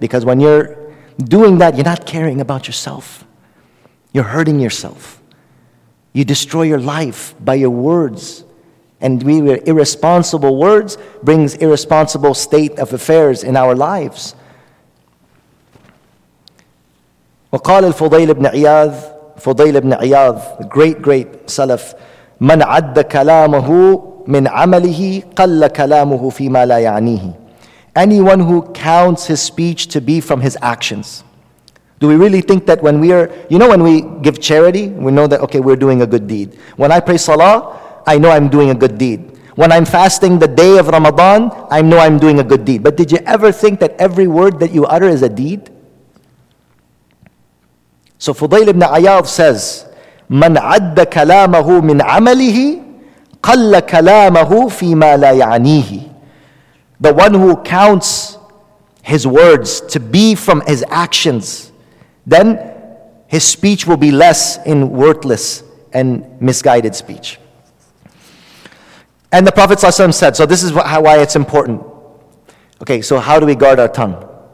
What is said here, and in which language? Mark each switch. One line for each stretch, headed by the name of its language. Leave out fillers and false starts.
English: Because when you're doing that, you're not caring about yourself. You're hurting yourself. You destroy your life by your words. And your irresponsible words brings irresponsible state of affairs in our lives.
Arabic: وقال الفضيل بن عياذ, فضيل بن عياذ,
English: the great, great Salaf,
Arabic: من عد كلامه من عمله قل كلامه فيما لا يعنيه.
English: Anyone who counts his speech to be from his actions. Do we really think that when we are, you know, when we give charity, we know that, okay, we're doing a good deed. When I pray salah, I know I'm doing a good deed. When I'm fasting the day of Ramadan, I know I'm doing a good deed. But did you ever think that every word that you utter is a deed? So Fudayl ibn Ayyad says,
Arabic: من عد كلامه من عمله قل كلامه فيما لا يعنيه.
English: The one who counts his words to be from his actions, then his speech will be less in worthless and misguided speech. And the Prophet ﷺ said, so this is why it's important. Okay, so how do we guard our tongue?